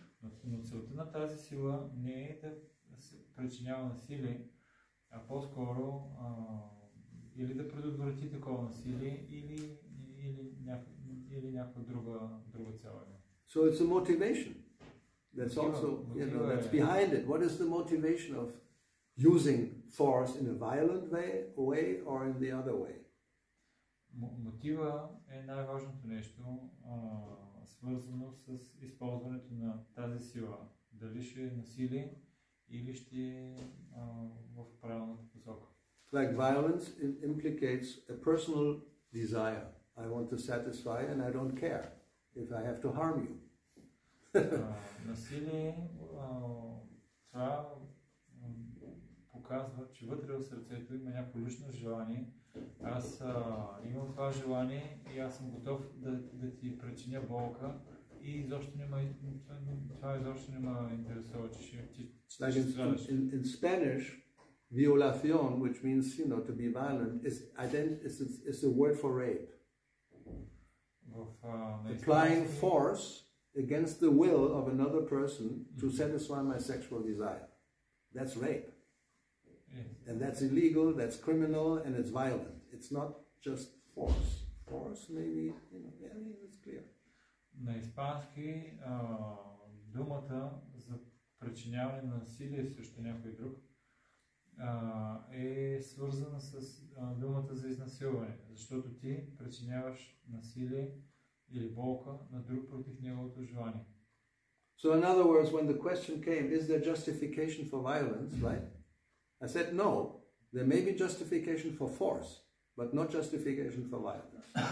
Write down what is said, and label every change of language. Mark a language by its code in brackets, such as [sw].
[bg] Но целта на тази сила не е да се причинява насилие, а по-скоро или да предотврати такова насилие, или някаква друга цел. [en] So it's a motivation. That's also, you know, that's behind it. What is the motivation of using force in a violent way or in the other way? [bg] Мотива е най-важното нещо, свързано с използването на тази сила. Дали ще е насилие или ще е в правилната посока. [en] Like violence implicates a personal desire. I want to satisfy and I don't care if I have to harm you. [bg] Насилие, това показва, че вътре в сърцето има някакво лично желание. Аз имам това желание и аз съм готов да ти причиня болка и изобщо няма, това изобщо няма интересува, че ще страдаш. [en] In Spanish, violación, which means, you know, to be violent, is a word for rape. Applying force against the will of another person to satisfy my sexual desire. That's rape. And that's illegal, that's criminal, and it's violent. It's not just force. Force, maybe, you know, yeah, that's clear. [bg] На испански думата за причиняване на насилие срещу някой друг е свързана с думата за изнасилване. Защото ти причиняваш насилие или болка на друг против неговото желание. [en] So in other words, when the question came, is there justification for violence, right? I said, no, there may be justification for force, but not justification for violence.